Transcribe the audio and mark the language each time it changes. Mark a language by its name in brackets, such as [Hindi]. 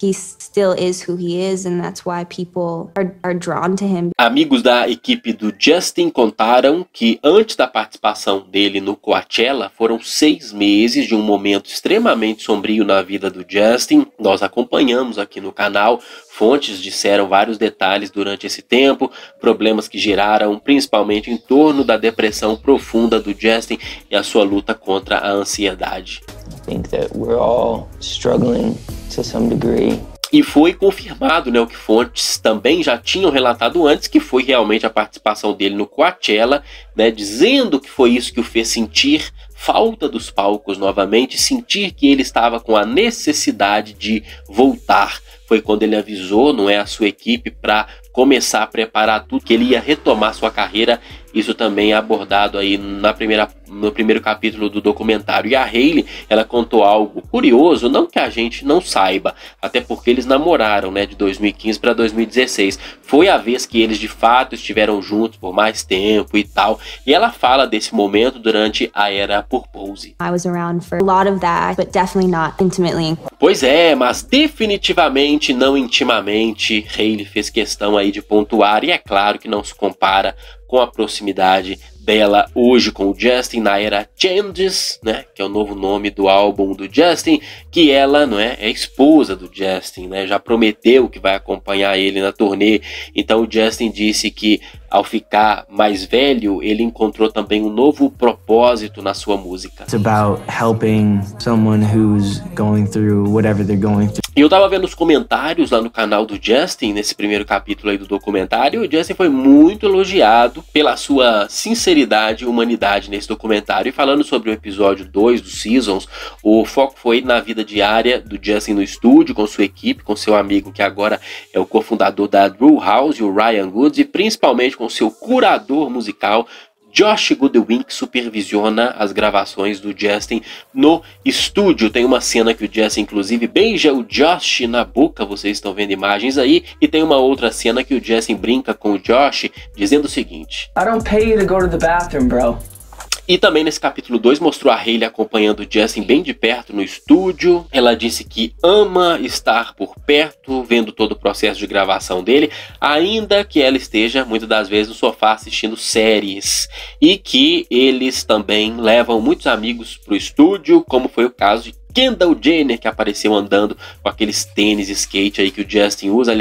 [English] He still is who he is, and that's why people are drawn to him. [Portuguese] Amigos da equipe do Justin contaram que antes da participação dele no Coachella, foram 6 meses de um momento extremamente sombrio na vida do Justin. Nós acompanhamos aqui no canal. Fontes disseram vários detalhes durante esse tempo, problemas que geraram principalmente em torno da depressão profunda do Justin e a sua luta contra a ansiedade. [English] Think that we're all struggling to some degree. [Portuguese] E foi confirmado, né, o que fontes também já tinham relatado antes, que foi realmente a participação dele no Coachella, né, dizendo que foi isso que o fez sentir falta dos palcos novamente, sentir que ele estava com a necessidade de voltar. Foi quando ele avisou, não é, a sua equipe para começar a preparar tudo, que ele ia retomar sua carreira. Isso também é abordado aí no primeiro capítulo do documentário. E a Hayley, ela contou algo curioso, não que a gente não saiba, até porque eles namoraram, né, de 2015 para 2016. Foi a vez que eles, de fato, estiveram juntos por mais tempo e tal. E ela fala desse momento durante a era Purpose. [English] I was around for a lot of that, but definitely not intimately. [Portuguese] Pois é, mas definitivamente não intimamente, Hayley fez questão aí de pontuar. E é claro que não se compara com a proximidade dela hoje com o Justin na era Changes, né, que é o novo nome do álbum do Justin, que ela, não é, é esposa do Justin, né, já prometeu que vai acompanhar ele na turnê. Então o Justin disse que ao ficar mais velho, ele encontrou também um novo propósito na sua música. [English] It's about helping someone who's going through whatever they're going through. [Portuguese] E eu tava vendo os comentários lá no canal do Justin, nesse primeiro capítulo aí do documentário, e o Justin foi muito elogiado pela sua sinceridade e humanidade nesse documentário. E falando sobre o episódio 2 do Seasons, o foco foi na vida diária do Justin no estúdio, com sua equipe, com seu amigo que agora é o cofundador da Drew House, o Ryan Goods, e principalmente com seu curador musical, Josh Goodwin, que supervisiona as gravações do Justin no estúdio. Tem uma cena que o Justin, inclusive, beija o Josh na boca, vocês estão vendo imagens aí, e tem uma outra cena que o Justin brinca com o Josh, dizendo o seguinte: [English] I don't pay you to go to the bathroom, bro. [Portuguese] E também nesse capítulo 2 mostrou a Hayley acompanhando o Justin bem de perto no estúdio. Ela disse que ama estar por perto, vendo todo o processo de gravação dele, ainda que ela esteja muitas das vezes no sofá assistindo séries. E que eles também levam muitos amigos para o estúdio, como foi o caso de Kendall Jenner, que apareceu andando com aqueles tênis skate aí que o Justin usa.